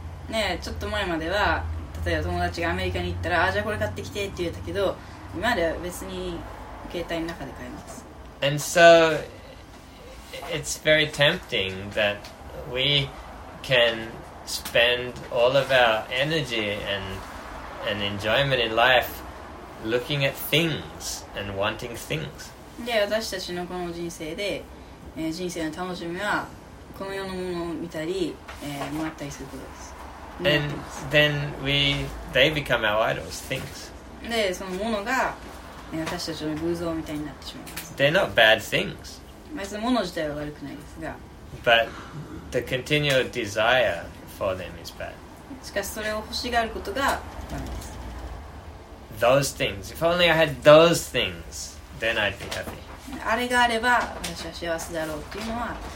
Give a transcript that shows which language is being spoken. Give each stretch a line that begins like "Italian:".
Japanese: ねえ、ちょっと前までは、例えば友達がアメリカに行ったら、あ、じゃあこれ買ってきてって言ったけど、今では別に携帯の中で買えます。
English: And so, it's very tempting that we can spend all of our energy and enjoyment in life looking at things and wanting things.
Japanese: で、私たちのこの人生で、人生の楽しみは、このようなものを見たり、もらったりすることです。
English: Then they become our idols, things.
Japanese: で、そのものが、私たちの偶像みたいになってしまいます。
English: They're not bad things.
Japanese: 別にもの自体は悪くないですが。
English: But the continual desire for them is bad.
Japanese: しかしそれを欲しがることがダメです。
English: Those things. If only I had those things, then I'd be happy.
Japanese: あれがあれば私は幸せだろうっていうのは、